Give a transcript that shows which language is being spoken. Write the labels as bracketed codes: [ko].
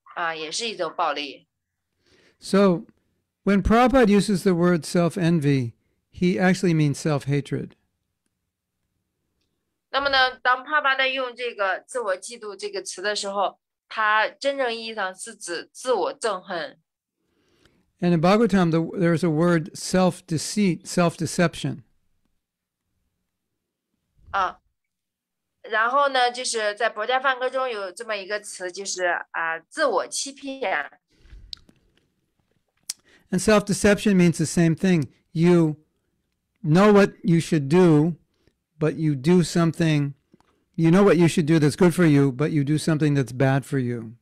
[zh] 就是如果从你自己来看，你对待他人的这种方式可以被称为是暴力的话，那么你以同样的方式对待自己，那么这就是一种，也是一种暴力。So, [en] when Prabhupada uses the word self-envy, he actually means self-hatred. [zh] 那么呢，当帕巴达用这个自我嫉妒这个词的时候，他真正意义上是指自我憎恨。 [en] And in Bhagavatam, there is a word self-deceit, self-deception. [zh] 然后呢，就是在《博伽梵歌》中有这么一个词，就是自我欺骗。And [en] self-deception means the same thing. You know what you should do, but you do something. You know what you should do that's good for you, but you do something that's bad for you.